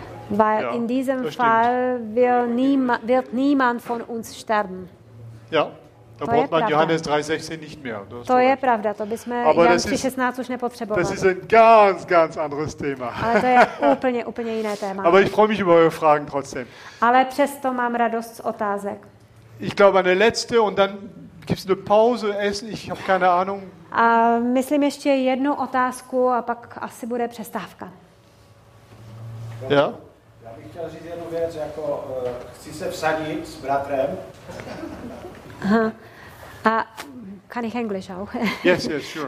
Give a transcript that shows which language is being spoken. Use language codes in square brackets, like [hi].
[de] Weil ja, in diesem Fall wird niemand von uns sterben. Ja, da braucht man Johannes 3,16 nicht mehr. [cs] To je pravda, to bychom Johannes 3,16 už nepotřebovali. [de] Das ist ein ganz, ganz anderes Thema. [cs] Ale to je úplně, úplně jiné téma. [de] Aber ich freue mich über eure Fragen trotzdem. [cs] Ale přesto mám radost z otázek. [de] Ich glaube, eine letzte und dann gibt's eine Pause, Essen, ich habe keine Ahnung. [cs] A myslím ještě jednu otázku a pak asi bude přestávka. [de] Ja? [cs] Já bych chtěl říct jednu věc, jako chci se vsadit s bratrem. [de] Kann ich Englisch auch? [en] Yes, yes, sure.